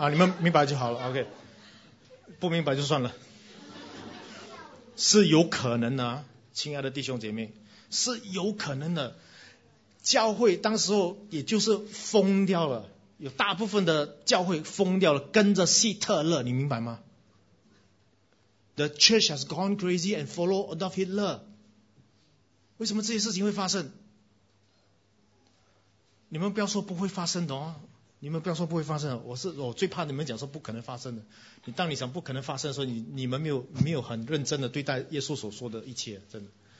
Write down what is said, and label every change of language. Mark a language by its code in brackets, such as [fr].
[zh] 啊，你们明白就好了 ，OK， 不明白就算了。是有可能的，亲爱的弟兄姐妹，是有可能的。教会当时候也就是疯掉了，有大部分的教会疯掉了，跟着希特勒，你明白吗？ [en] The church has gone crazy and follow Adolf Hitler. [zh] 为什么这些事情会发生？你们不要说不会发生的哦，你们不要说不会发生的，我最怕你们讲说不可能发生的。你当你想不可能发生的时候，你们没有很认真的对待耶稣所说的一切，真的。